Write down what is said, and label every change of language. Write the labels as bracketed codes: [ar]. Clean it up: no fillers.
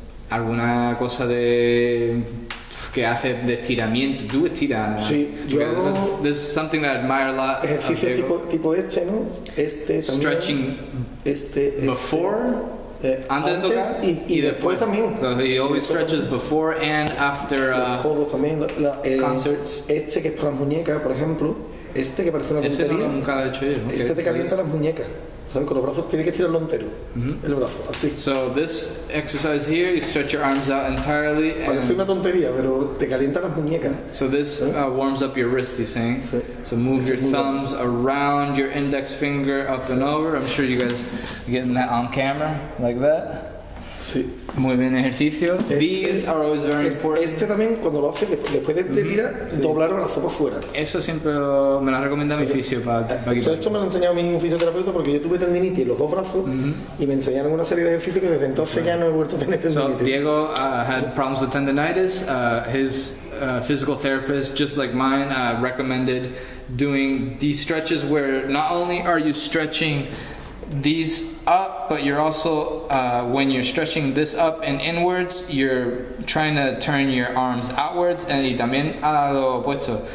[es] Alguna cosa de que hace de estiramiento, do estira. Sí, yo hago [en] this is something that I admire a lot. [es] Ejercicio tipo este, ¿no? Este también. [en] Stretching [es] este. [en] Before. [es] Antes de tocar y después también. [en] So he always stretches before and after concerts. [es] Este que es para las muñecas, por ejemplo. Este que parece una tontería. No, nunca lo he hecho yo. Este okay, te calienta las muñecas. ¿Sabes? Con los brazos tienes que estirarlo entero. Mm-hmm. El brazo, así. [en] So this exercise here, you stretch your arms out entirely. [es] Parece una tontería, pero te calienta las muñecas. [en] So this warms up your wrist, he's saying. [es] Sí. [en] So move your thumbs around your index finger up and over. I'm sure you guys are getting that on camera, like that. [es] Sí. Muy bien ejercicio. [en] These are always very important. [es] Este también, cuando lo haces, después de mm-hmm, tirar, sí, doblar el brazo para afuera. Eso siempre me lo ha recomendado mi fisio. Esto me lo ha enseñado mi fisioterapeuta, porque yo tuve tendinitis en los dos brazos, mm-hmm, y me enseñaron una serie de ejercicios que desde entonces ya no he vuelto a tener tendinitis. [en] So, Diego had problems with tendinitis. His physical therapist, just like mine, recommended doing these stretches where not only are you stretching these up, but you're also when you're stretching this up and inwards, you're trying to turn your arms outwards, and [es] también a lo opuesto.